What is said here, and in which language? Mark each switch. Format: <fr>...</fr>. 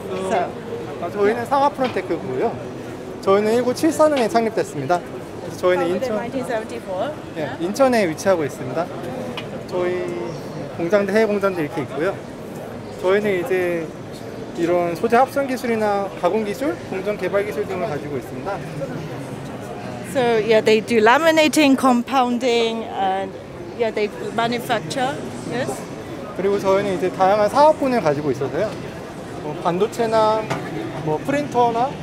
<ko>So 저희는 상아프론테크고요. 저희는 1974년에 창립됐습니다. 저희는 인천, 1974. 예, 인천에 위치하고 있습니다. 저희 공장도 해외 공장도 이렇게 있고요. 저희는 이제 이런 소재 합성 기술이나 가공 기술, 공정 개발 기술 등을 가지고 있습니다.</ko> <en>So yeah, they do laminating, compounding, and yeah, they manufacture. Yes.</en> <ko>그리고 저희는 이제 다양한 사업군을 가지고 있어서요. 뭐 반도체나 뭐 프린터나.</ko>